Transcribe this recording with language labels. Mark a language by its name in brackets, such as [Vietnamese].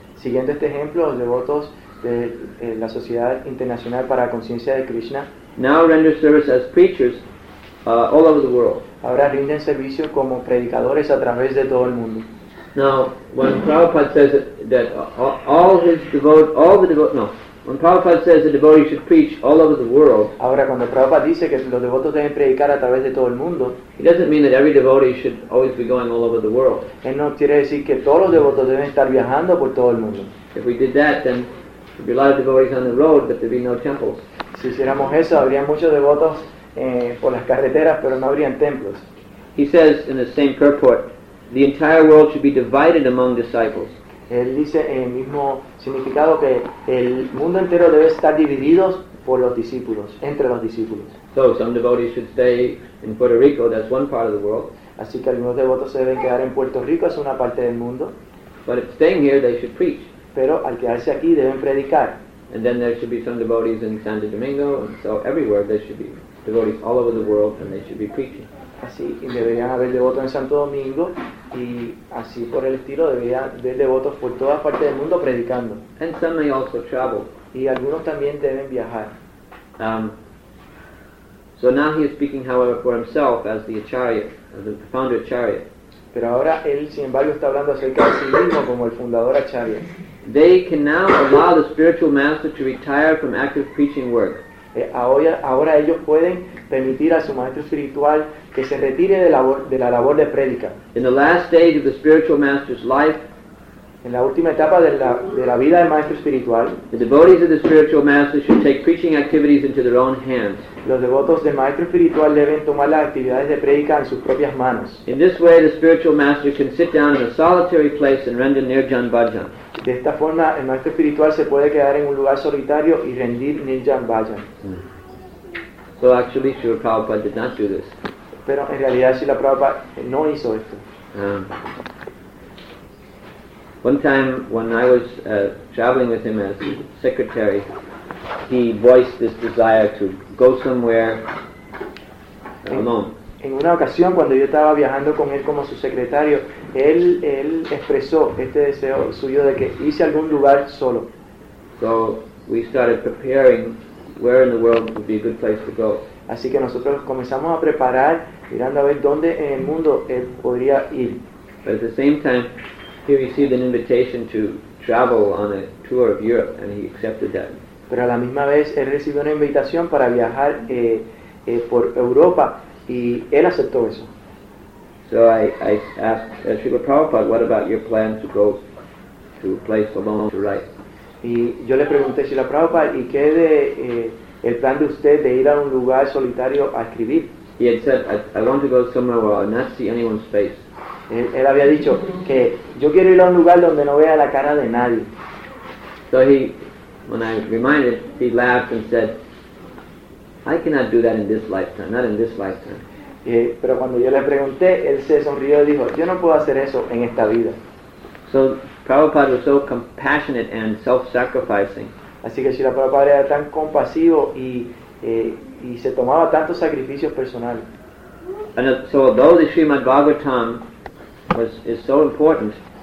[Spanish] Siguiendo este ejemplo, los devotos de la Sociedad Internacional para la Conciencia de Krishna [English] now render service as preachers all over the world. [Spanish] Ahora rinden servicio como predicadores a través de todo el mundo. [English] Now, when Prabhupada says that when Prabhupada says the devotee should preach all over the world. [Spanish] Ahora cuando Prabhupada dice que los devotos deben predicar a través de todo el mundo. [English] He doesn't mean that every devotee should always be going all over the world. [Spanish] Él no quiere decir que todos los devotos deben estar viajando por todo el mundo. [English] If we did that, then there'd be a lot of devotees on the road, but there'd be no temples. [Spanish] Si hiciéramos eso, habría muchos devotos por las carreteras, pero no habrían templos. [English] He says in the same purport, the entire world should be divided among disciples. [Spanish] Él dice el mismo significado que el mundo entero debe estar dividido por los discípulos, entre los discípulos. [English] So some devotees should stay in Puerto Rico. That's one part of the world. [Spanish] Así que algunos devotos se deben quedar en Puerto Rico. Es una parte del mundo. [English] But if staying here, they should preach. [Spanish] Pero al quedarse aquí deben predicar. [English] And then there should be some devotees in Santo Domingo, and so everywhere there should be devotees all over the world, and they should be preaching. [Spanish] Así, y deberían haber devotos en Santo Domingo, y así por el estilo deberían haber devotos por todas partes del mundo predicando. [English] And some may also travel. [Spanish] Y algunos también deben viajar. [English] So now he is speaking, however, for himself as the acharya, as the founder acharya. [Spanish] Pero ahora él, sin embargo, está hablando acerca de sí mismo como el fundador acharya. [English] They can now allow the spiritual master to retire from active preaching work. [Spanish] Ahora ellos pueden permitir a su maestro espiritual que se retire de la labor de prédica. [English] In the last stage of the spiritual master's life, [Spanish] en la última etapa de la vida del maestro espiritual, [English] the devotees of the spiritual master should take preaching activities into their own hands. [Spanish] Los devotos del maestro espiritual deben tomar las actividades de prédica en sus propias manos. [English] In this way, the spiritual master can sit down in a solitary place and render Nirjan Bhajan. [Spanish] De esta forma, el maestro espiritual se puede quedar en un lugar solitario y rendir Nirjan Bhajan. [English] So actually, Srila Prabhupada did not do this. [Spanish] Pero en realidad, Srila Prabhupada no hizo esto. [English] One time, when I was traveling with him as secretary, he voiced this desire to go somewhere alone. [Spanish] En una ocasión, cuando yo estaba viajando con él como su secretario, él expresó este deseo suyo de que hice algún lugar solo. [English] So we started preparing where in the world would be a good place to go. [Spanish] Así que nosotros comenzamos a preparar, mirando a ver dónde en el mundo él podría ir. [English] But at the same time, he received an invitation to travel on a tour of Europe, and he accepted that. [Spanish] Pero a la misma vez, él recibió una invitación para viajar por Europa, y él aceptó eso. [English] So I asked Srila Prabhupada, what about your plan to go to a place alone to write? [Spanish] Y yo le pregunté a Srila Prabhupada, ¿y qué de el plan de usted de ir a un lugar solitario a escribir? [English] He had said, I want to go somewhere where I'll not see anyone's face. [Spanish] Él había dicho que yo quiero ir a un lugar donde no vea la cara de nadie. [English] So he, when I reminded, he laughed and said, I cannot do that in this lifetime, not in this lifetime. [Spanish] Pero cuando yo le pregunté, él se sonrió y dijo, yo no puedo hacer eso en esta vida. [English] So Prabhupada was so compassionate and self-sacrificing. [Spanish] Así que Srila Prabhupada era tan compasivo y se tomaba tantos sacrificios personales. [English] And so although the Srimad Bhagavatam is so important,